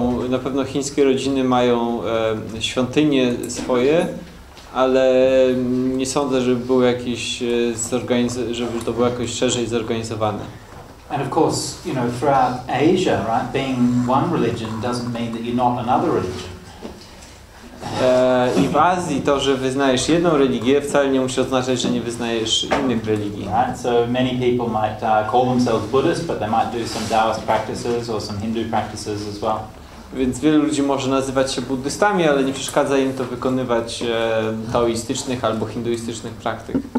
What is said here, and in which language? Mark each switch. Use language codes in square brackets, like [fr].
[pl] Na pewno chińskie rodziny mają świątynie swoje, ale nie sądzę, żeby był jakiś żeby to było jakoś szerzej zorganizowane. [en] And of course, you know, throughout Asia, right, being one religion doesn't mean that you're not another religion. [pl] I w Azji to, że wyznajesz jedną religię, wcale nie musi oznaczać, że nie wyznajesz innych religii. [en] Right? So many people might call themselves Buddhists, but they might do some Taoist practices or some Hindu practices as well. [pl] Więc wielu ludzi może nazywać się buddystami, ale nie przeszkadza im to wykonywać taoistycznych albo hinduistycznych praktyk.